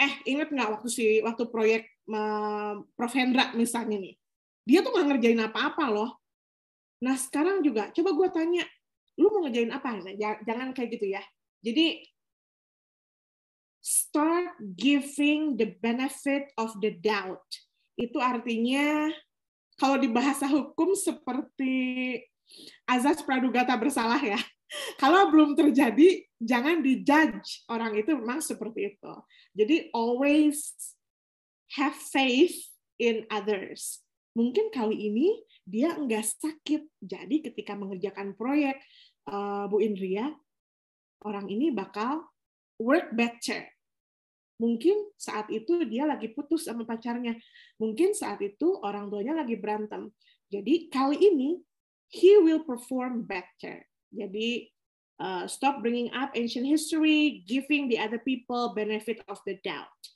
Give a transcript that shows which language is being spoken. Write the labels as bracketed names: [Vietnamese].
[Indonesian] Ingat nggak waktu proyek Prof. Hendra misalnya nih? Dia tuh nggak ngerjain apa-apa loh. Nah, sekarang juga, coba gue tanya, lu mau ngerjain apa? Nah, jangan kayak gitu ya. Jadi, [English] start giving the benefit of the doubt. [Indonesian] Itu artinya, kalau di bahasa hukum seperti azas praduga tak bersalah ya. Kalau belum terjadi, jangan dijudge orang itu memang seperti itu. Jadi [English] always have faith in others. [Indonesian] Mungkin kali ini dia enggak sakit. Jadi ketika mengerjakan proyek Bu Indria, orang ini bakal [English] work better. [Indonesian] Mungkin saat itu dia lagi putus sama pacarnya. Mungkin saat itu orang tuanya lagi berantem. Jadi kali ini, [English] he will perform better. [Indonesian] Jadi, [English] stop bringing up ancient history, giving the other people benefit of the doubt.